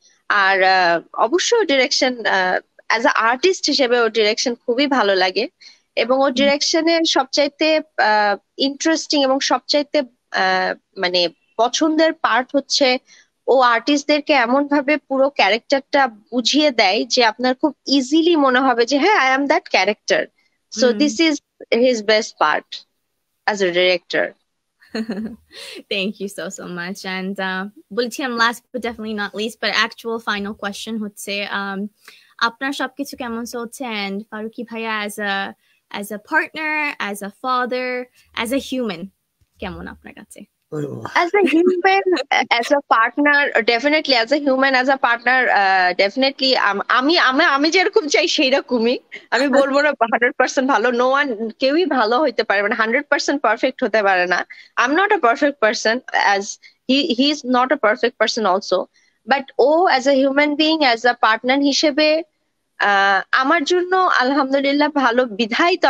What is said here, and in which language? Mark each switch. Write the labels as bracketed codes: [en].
[bn] Ar obosshoi direction [en] as a artist [bn] হিসেবে ওর direction খুবই ভালো লাগে, এবং ওর ডিরেকশনের সবচাইতে ইন্টারেস্টিং এবং সবচাইতে মানে পছন্দের পার্ট হচ্ছে, ও আর্টিস্টদেরকে এমন ভাবে পুরো ক্যারেক্টারটা বুঝিয়ে দেয় যে আপনার খুব ইজিলি মনে হবে যে হ্যাঁ [en] I am that character. So this is his best part as a director. Thank you so much. [bn] And বলছিলাম [en] last but definitely not least, but actual final question [bn] হচ্ছে, আপনার সবকিছু কেমন চলছে? এন্ড ফারুকি ভাইয়া, [en] as a partner, as a father, as a human, [bn] কেমন আপনার কাছে? [en] As a human, as a partner, definitely as a human, as a partner, definitely [bn] আমি আমি আমি যেরকম চাই সেইরকমই। আমি বলবো না 100% ভালো, নো ওয়ান, কেউই ভালো হইতে পারে না, 100% পারফেক্ট হতে পারে না। [en] I am not a perfect person, as he is not a perfect person also, but oh as a human being, as a partner [bn] হিসেবে আমার জন্য আলহামদুলিল্লাহ ভালো বিধাই তো।